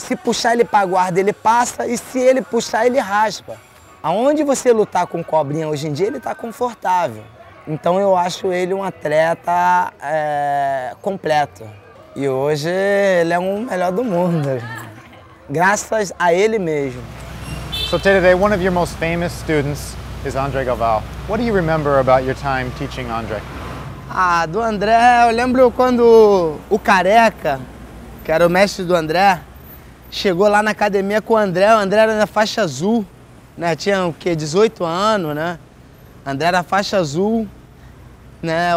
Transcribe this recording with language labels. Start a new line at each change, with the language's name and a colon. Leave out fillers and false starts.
Portuguese: Se puxar ele para a guarda, ele passa. E se ele puxar, ele raspa. Aonde você lutar com Cobrinha hoje em dia, ele está confortável. Então eu acho ele um atleta completo. E hoje ele é o melhor do mundo, graças a ele mesmo.
English: So today, one of your most famous students is André Galvão. What do you remember about your time teaching André?
Portuguese: Ah, do André, eu lembro quando o Careca, que era o mestre do André, chegou lá na academia com o André era na faixa azul, né? Tinha o quê? 18 anos, né? André era faixa azul, né?